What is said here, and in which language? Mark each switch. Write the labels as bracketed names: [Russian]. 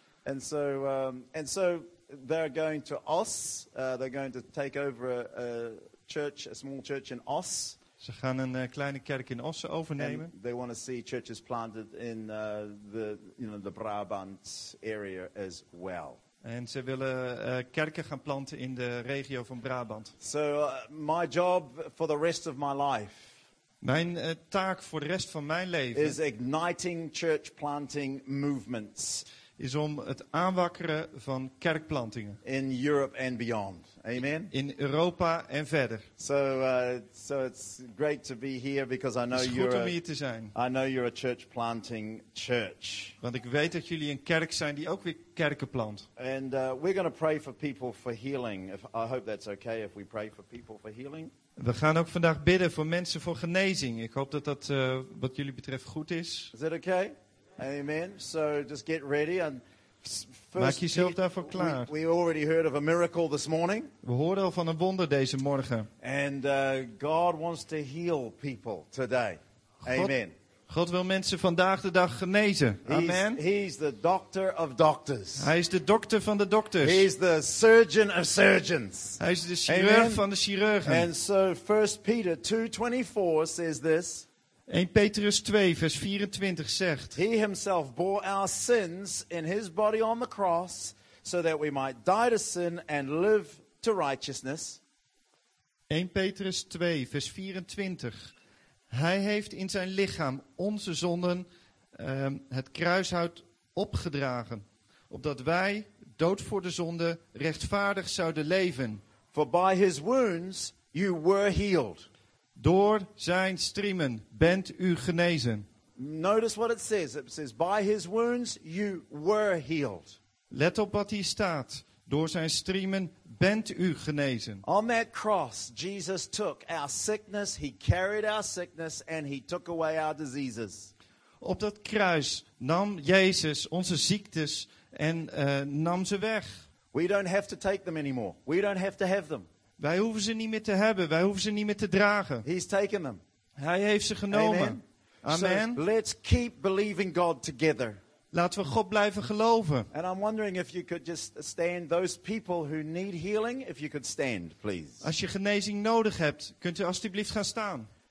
[English] And so they're going to Os. They're going to take over a small church in Os. [Dutch] Ze gaan een kleine kerk in Os overnemen. [English] And they want to see churches planted in the Brabant area as well. [Dutch] En ze willen kerken gaan planten in de regio van Brabant. [English] So my job for the rest of my life. [Dutch] Mijn taak voor de rest van mijn leven [English] is igniting church planting movements. [Dutch] Is om het aanwakkeren van kerkplantingen [English] in Europe and beyond. Amen. [Dutch] In Europa en verder. [English] So it's great to be here because I know you're. [Dutch] Het is goed om hier te zijn. [English] I know you're a church planting church. [Dutch] Want ik weet dat jullie een kerk zijn die ook weer kerken plant. [English] And we're going to pray for people for healing. I hope that's okay if we pray for people for healing. [Dutch] We gaan ook vandaag bidden voor mensen voor genezing. Ik hoop dat dat wat jullie betreft goed is. [English] Is that okay? Amen. So just get ready and first, [Dutch] maak jezelf daarvoor klaar. [English] We already heard of a miracle this morning. [Dutch] We hoorden al van een wonder deze morgen. [English] And God wants to heal people today. Amen. [Dutch] God wil mensen vandaag de dag genezen. Amen. [English] He's the doctor of doctors. [Dutch] Hij is de dokter van de dokters. [English] He's the surgeon of surgeons. [Dutch] Hij is de chirurg van de chirurgen. [English] And so 1 Peter 2:24 says this. [Dutch] 1 Petrus 2 vers 24 zegt: [English] He himself bore our sins in his body on the cross, so that we might die to sin and live to righteousness. [Dutch] 1 Petrus 2 vers 24. Hij heeft in zijn lichaam onze zonden het kruishout opgedragen, opdat wij dood voor de zonde rechtvaardig zouden leven. [English] For by his wounds you were healed. [Dutch] Door zijn striemen bent u genezen. [English] Notice what it says. It says, by his wounds you were healed. [Dutch] Let op wat hier staat. Door zijn striemen bent u genezen. [English] On that cross, Jesus took our sickness, he carried our sickness, and he took away our diseases. [Dutch] Op dat kruis nam Jezus onze ziektes en nam ze weg. [English] We don't have to take them anymore. We don't have to have them. [Dutch] Wij hoeven ze niet meer te hebben. Wij hoeven ze niet meer te dragen. [English] He's taken them. [Dutch] Hij heeft ze genomen. Amen. [English] So let's keep believing God together. [Dutch] Laten we God blijven geloven. [English] And I'm wondering if you could just stand those people who need healing, if you could stand, please. [Dutch] Als je genezing nodig hebt, kunt u alsjeblieft gaan staan.